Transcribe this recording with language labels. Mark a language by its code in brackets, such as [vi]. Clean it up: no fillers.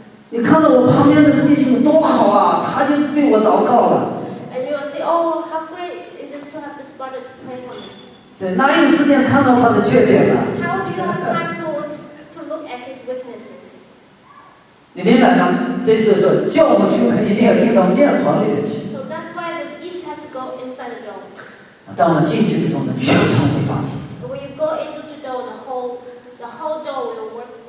[zh] 你看到我旁边那个弟兄多好啊，他就为我祷告了。 [en] And you will say, oh, how great it is to have this brother to pray for me. [zh] 对，哪有时间看到他的缺点呢？ [en] How do you have time to look at his weaknesses? [zh] 你明白吗？这次是教会聚会一定要进到面团里面去。 [en] So that's why the yeast has to go inside the dough. [zh] 当我们进去的时候呢，全团会发起。 [en] When you go into the dough, the whole dough will work.